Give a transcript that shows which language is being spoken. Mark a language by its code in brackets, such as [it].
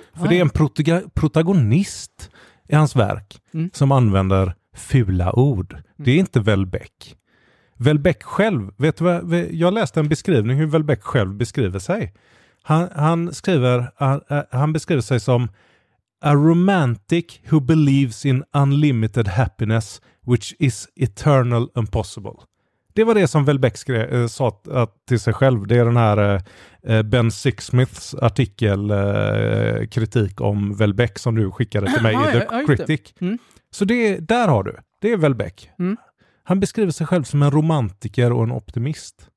[sv] För det är en protagonist i hans verk som använder fula ord. Det är inte Welbeck. Welbeck själv, vet du vad? Jag läste en beskrivning hur Welbeck själv beskriver sig. Han beskriver sig som [en] A romantic who believes in unlimited happiness, which is eternal and possible. [sv] Det var det som Welbeck skrev, sa att till sig själv. Det är den här Ben Sixsmiths artikel kritik om Welbeck som du skickade till mig i The Critic. Mm. Så det, där har du. Det är Welbeck. Mm. Han beskriver sig själv som en romantiker och en optimist.